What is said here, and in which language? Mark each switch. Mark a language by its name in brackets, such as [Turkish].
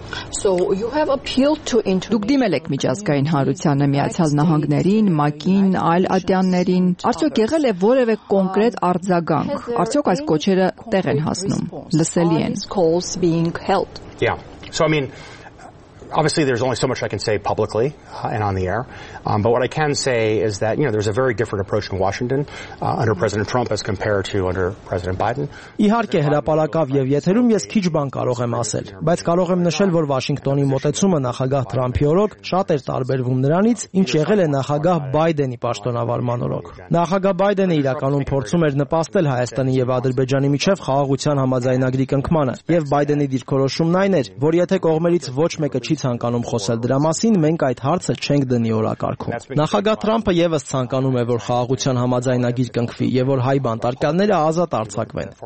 [English] So you have appealed to international. [Armenian] Դուք դիմել եք միջազգային հանրությանը, Միացյալ Նահանգներին, ՄԱԿ-ին, այլ ատյաններին։ Արդյոք եղել է որևէ կոնկրետ արձագանք? Արդյոք այս կոչերը տեղ են հասնում, լսելի են? [English] Yeah. So I mean, obviously there's only so much I can say publicly and on the air. But what I can say is that, you know, there's a very different approach in Washington under President Trump as compared to under President Biden. [Armenian] Իհարկե հրապարակավ եւ եթերում ես քիչ բան կարող եմ ասել, բայց կարող եմ նշել, որ Վաշինգտոնի մոտեցումը նախագահ Թրամփի օրոք շատ էր տարբերվում նրանից, ինչ եղել է նախագահ Բայդենի պաշտոնավարման օրոք։ Նախագահ Բայդենը իրականում փորձում էր նպաստել Հայաստանի եւ Ադրբեջանի միջև խաղաղության համաձայնագրի կնքմանը, եւ Բայդենի դիրքորոշումն այն էր, որ եթե կողմերից ոչ մեկը չի ցանկանում խոսել դրա մասին, մենք այդ հարցը չենք դնի օրակարգում։ Նախագահ Թրամփը եւս ցանկանում է, որ խաղաղության համաձայնագիր կնքվի եւ որ հայ բանտարկյալները ազատ արձակվեն,